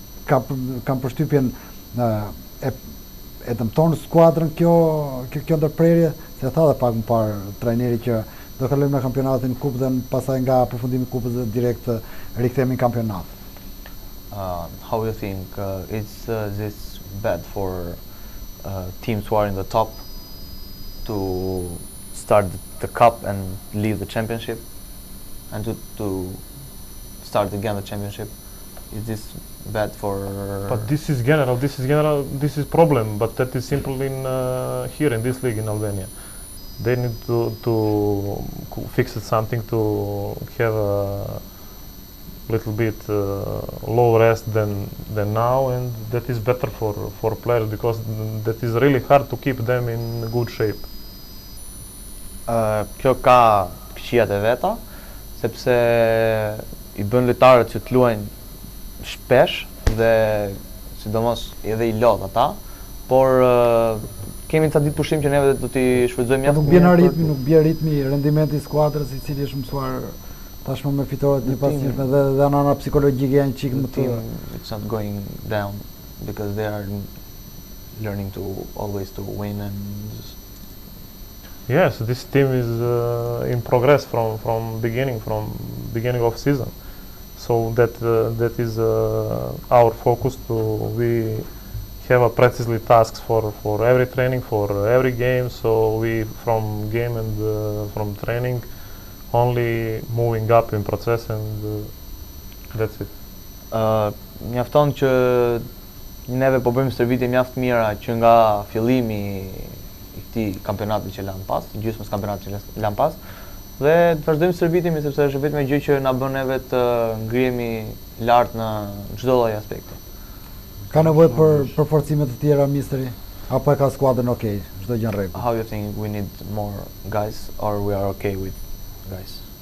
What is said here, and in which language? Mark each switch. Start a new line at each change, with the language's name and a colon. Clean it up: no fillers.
Albanian: Kam përshtypjen e dëmton skuadrën kjo ndërprerje, se tha edhe pak më parë trajneri që do kalojmë në kampionatin kupë dhe pasaj nga përfundimi kupës dhe direkt rikthehemi në kampionat.
English: How do you think is this bad for teams who are in the top to start the cup and leave the championship and to start again the championship? Is this bad for? But this is general. This is problem. But that is simple in here in this league in Albania. They need to fix it something to have a little bit low rest than now, and that is better for players because that is really hard to keep them in good shape.
Albanian: Kjo ka këqijat e veta, sepse i bën lojtarët që të luajnë shpesh dhe sidomos edhe i lodh ata, por kemi ca ditë pushim që neve do t'i shfrytëzojmë mjaft. Nuk bjen ritmi, nuk bjen ritmi rendimenti i skuadrës i cili është mësuar tashmë me fitoret një pasnjëshme dhe anana psikologjike janë çik më të
English: it's not going down because they are learning to always to win and yes, this team is in progress from beginning of season. So that is our focus. We have a precisely tasks for every training, for every game. So we from game and from training only moving up in process and that's it.
Albanian: Mjafton që neve po bëjmë stërvitje mjaft mira që nga fillimi i këtij kampionati që lan pas, gjysmës kampionati që lan pas. Dhe të vazhdojmë stërvitjen sepse është vetëm gjë që na bën neve të ngrihemi lart në çdo lloj aspekti. Ka nevojë për forcime të tjera misteri apo e ka skuadrën okay, çdo gjë në rregull?
English: How you think we need more guys or we are okay with guys?